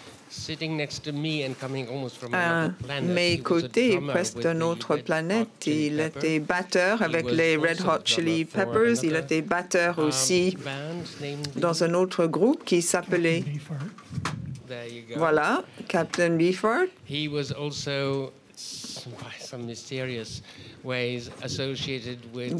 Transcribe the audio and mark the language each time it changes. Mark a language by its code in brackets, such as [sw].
[en] Sitting next to me and coming almost from another planet. [fr] À mes côtés, presque d'un autre planète, il était batteur avec les Red Hot Chili Peppers. Il était batteur aussi dans un autre groupe qui s'appelait voilà, Captain Beefheart. [en] He was also by some mysterious ways associated with